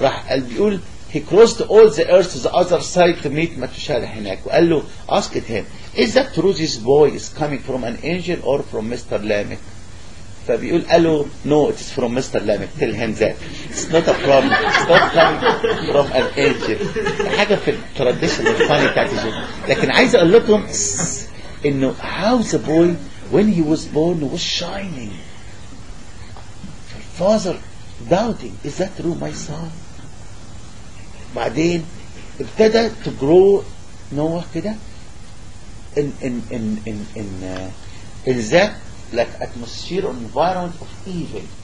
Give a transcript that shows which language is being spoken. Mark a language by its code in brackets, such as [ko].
[ar] راح قال بيقول [en] he crossed all the earth to the other side to meet Matushala هناك. [ar] وقال له [en] asked him is that true this boy is coming from an angel or from Mr. Lamech? [ar] فبيقول قال له [en] no it is from Mr. Lamech. Tell him that. It's not a problem. It's not coming from an angel. [ar] حاجة في التراديشن الفاني بتاعت الجن. لكن عايز أقول لكم إنه [en] how the boy when he was born was shining. The father doubting is that true my son? [ar] بعدين ابتدى [en] to grow Noah كده in that like atmosphere or environment of evil.